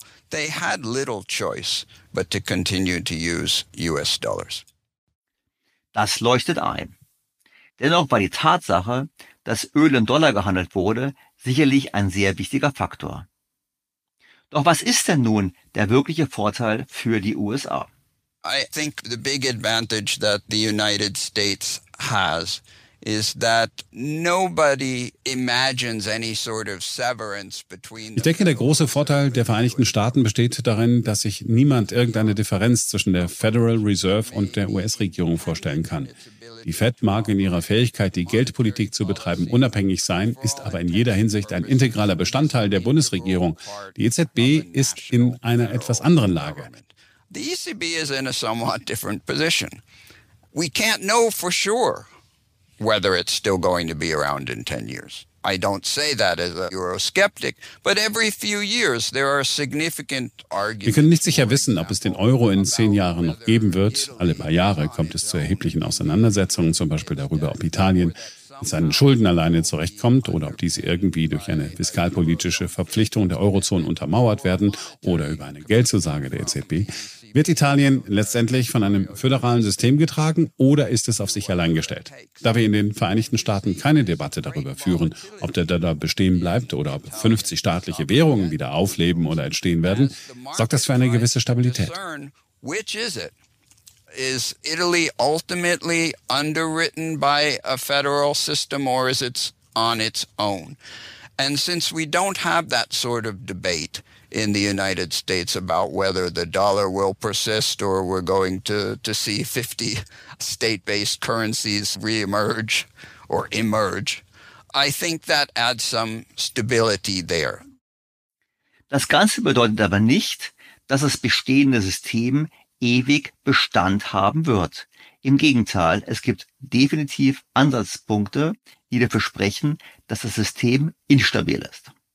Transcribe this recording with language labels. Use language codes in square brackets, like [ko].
[en] They had little choice but to continue to use US dollars. [de] Das leuchtet ein. Dennoch war die Tatsache, dass Öl in Dollar gehandelt wurde, sicherlich ein sehr wichtiger Faktor. Doch was ist denn nun der wirkliche Vorteil für die USA? [en] I think the big advantage that the United States has is that nobody imagines any sort of severance between. [de] Ich denke, der große Vorteil der Vereinigten Staaten besteht darin, dass sich niemand irgendeine Differenz zwischen der Federal Reserve und der US-Regierung vorstellen kann. Die Fed mag in ihrer Fähigkeit, die Geldpolitik zu betreiben, unabhängig sein, ist aber in jeder Hinsicht ein integraler Bestandteil der Bundesregierung. Die EZB ist in einer etwas anderen Lage. [en] The ECB is in a somewhat different position. We can't know for sure whether it's still going to be around in 10 years. I don't say that as a Euroskeptic, but every few years there are significant arguments. [de] Wir können nicht sicher wissen, ob es den Euro in 10 Jahren noch geben wird. Alle paar Jahre kommt es zu erheblichen Auseinandersetzungen, zum Beispiel darüber, ob Italien mit seinen Schulden alleine zurechtkommt oder ob diese irgendwie durch eine fiskalpolitische Verpflichtung der Eurozone untermauert werden oder über eine Geldzusage der EZB. Wird Italien letztendlich von einem föderalen System getragen oder ist es auf sich allein gestellt? Da wir in den Vereinigten Staaten keine Debatte darüber führen, ob der Dollar bestehen bleibt oder ob 50 staatliche Währungen wieder aufleben oder entstehen werden, sorgt das für eine gewisse Stabilität. [en] Which is it? Is Italy ultimately underwritten by a federal system or is it on its own? And since we don't have that sort of debate in the United States about whether the dollar will persist or we're going to see 50 state-based currencies reemerge or emerge, I think that adds some stability there. [de] Das Ganze bedeutet aber nicht, dass das bestehende System ewig Bestand haben wird. Im Gegenteil, es gibt definitiv Ansatzpunkte, die dafür sprechen, dass das System instabil ist.